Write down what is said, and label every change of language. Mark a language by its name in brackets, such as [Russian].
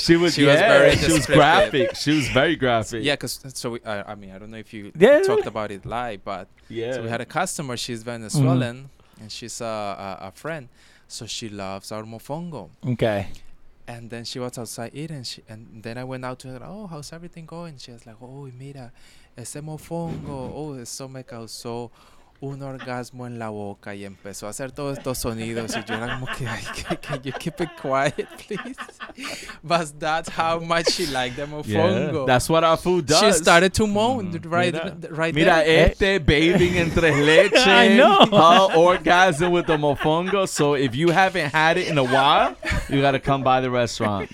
[English] She was very graphic. She was very graphic. Yeah, I don't know if you talked about it live, but yeah, so we had a customer. She's Venezuelan and she's a friend, so she loves our mofongo. Okay. And then she was outside eating, and then I went out to her. Oh, how's everything going? She was like, oh, [Spanish] mira, ese mofongo, oh, eso me causó un orgasmo en la boca, y empezó a hacer todos estos sonidos. Y yo era como que, [English] can you keep it quiet, please? But that's how much she liked the mofongo. Yeah, that's what our food does. She started to moan right there. Mira, bathing in tres leches. I know. Orgasm with the mofongo. So if you haven't had it in a while, you got to come by the restaurant.